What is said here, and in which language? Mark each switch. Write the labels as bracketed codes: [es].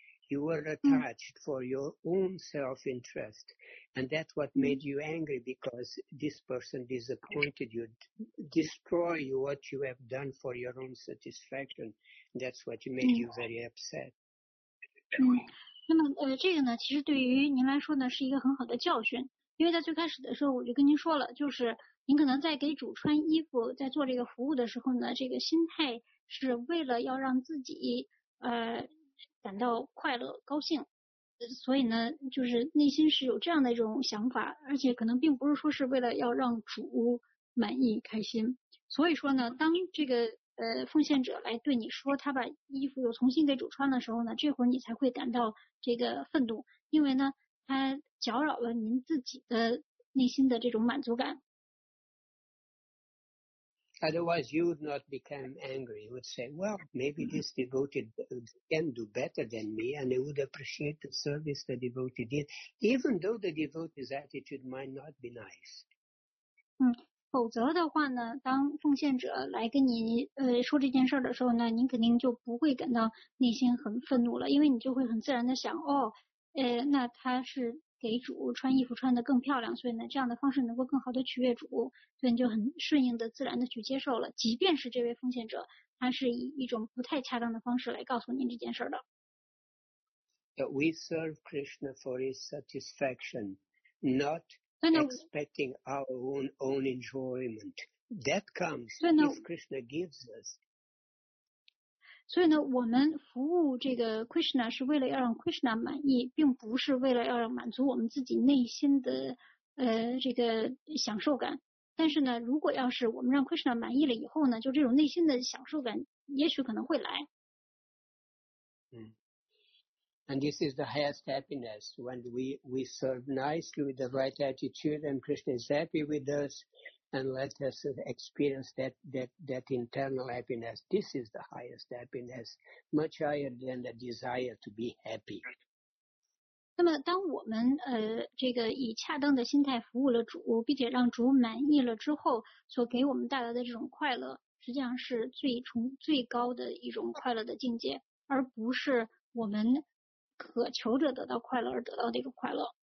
[en] You were attached for your own self-interest, and that's what made you angry, because this person disappointed you, destroy you what you have done for your own satisfaction. That's what made you very upset. [zh] 那么这个呢，其实对于您来说呢，是一个很好的教训。因为在最开始的时候我就跟您说了，就是您可能在给主穿衣服，在做这个服务的时候呢，这个心态是为了要让自己感到快乐高兴，所以呢就是内心是有这样的一种想法，而且可能并不是说是为了要让主满意开心。所以说呢，当这个奉献者来对你说他把衣服又重新给主穿的时候呢，这会儿你才会感到这个愤怒，因为呢他搅扰了您自己的内心的这种满足感。 [en] Otherwise, you would not become angry. You would say, well, maybe this devoted can do better than me, and they would appreciate the service the devotee did, even though the devotee's attitude might not be nice. [zh] 否则的话呢，当奉献者来跟你说这件事的时候呢，您肯定就不会感到内心很愤怒了，因为你就会很自然的想，哦，那他是给主穿衣服穿得更漂亮，所以呢这样的方式能够更好的取悦主，所以你就很顺应的自然的去接受了，即便是这位奉献者他是以一种不太恰当的方式来告诉您这件事的。 [en] We serve Krishna for his satisfaction, not expecting our own enjoyment. That comes if Krishna gives us. [zh] 所以呢，我们服务这个 Krishna 是为了要让 Krishna 满意，并不是为了要让满足我们自己内心的这个享受感。但是呢，如果要是我们让 Krishna 满意了以后呢，就这种内心的享受感也许可能会来。 [en] And this is the highest happiness when we serve nicely with the right attitude, and Krishna is happy with us. And let us experience that internal happiness. This is the highest happiness, much higher than the desire to be happy. [zh] 那么当我们这个以恰当的心态服务了主，并且让主满意了之后，所给我们带来的这种快乐，实际上是最高的一种快乐的境界，而不是我们渴求着得到快乐而得到的一种快乐。